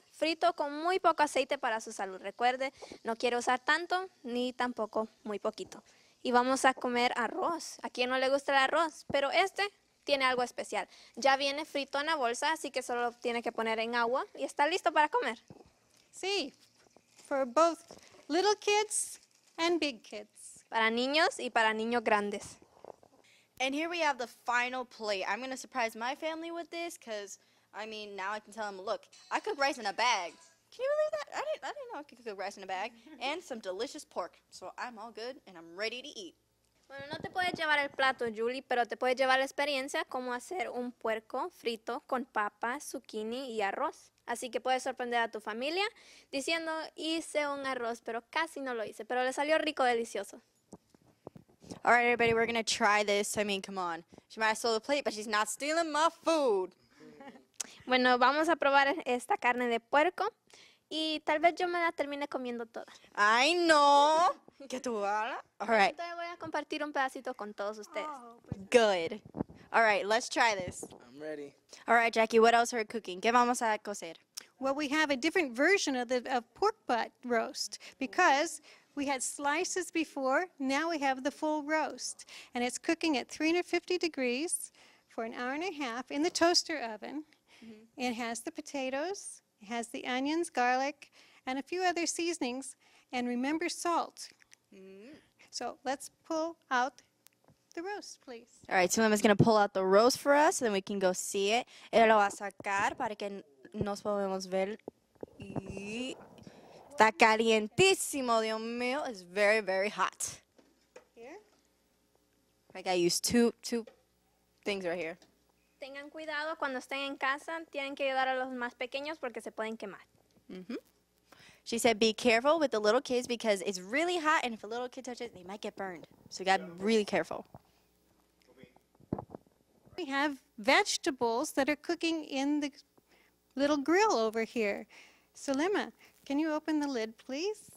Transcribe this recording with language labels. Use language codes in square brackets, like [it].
[es] Frito con muy poco aceite para su salud. Recuerde, no quiere usar tanto ni tampoco muy poquito. Y vamos a comer arroz. ¿A quién no le gusta el arroz? Pero este tiene algo especial. Ya viene frito en la bolsa, así que solo lo tiene que poner en agua y está listo para comer. [en] Sí, for both little kids and big kids. [es] Para niños y para niños grandes. [en] And here we have the final plate. I'm going to surprise my family with this because... I mean, now I can tell them, look, I cook rice in a bag. Can you believe that? I didn't know I could cook rice in a bag. And some delicious pork. So I'm all good, and I'm ready to eat. [es] Bueno, no te puedes llevar el plato, Julie, pero te puedes llevar la experiencia cómo hacer un puerco frito con papa, zucchini y arroz. Así que puedes sorprender a tu familia diciendo, hice un arroz, pero casi no lo hice. Pero le salió rico, delicioso. [en] All right, everybody, we're going to try this. I mean, come on. She might have stole the plate, but she's not stealing my food. [es] Bueno, vamos a probar esta carne de puerco y tal vez yo me la termine comiendo toda. ¡Ay, no! ¿Qué tú hablas? [en] All right. [es] Entonces voy a compartir un pedacito con todos ustedes. [en] Good. All right, let's try this. I'm ready. All right, Jackie, what else are we cooking? [es] ¿Qué vamos a cocer? [en] Well, we have a different version of the pork butt roast because we had slices before. Now we have the full roast, and it's cooking at 350 degrees for an hour and a half in the toaster oven. Mm-hmm. It has the potatoes, it has the onions, garlic, and a few other seasonings, and remember salt. Mm-hmm. So let's pull out the roast, please. All right, Sulema's going to pull out the roast for us, and then we can go see it. [es] Él lo va a sacar para que nos podamos ver. Y Está calientísimo, Dios mío. [en] It's very, very hot. Here? I gotta use two things right here. [es] Tengan cuidado cuando estén en casa. Tienen que ayudar a los más pequeños porque se pueden quemar. Mm-hmm. [en] She said, be careful with the little kids because it's really hot, and if a little kid touches it, they might get burned. So you gotta be really careful. We have vegetables that are cooking in the little grill over here. Sulema, can you open the lid, please?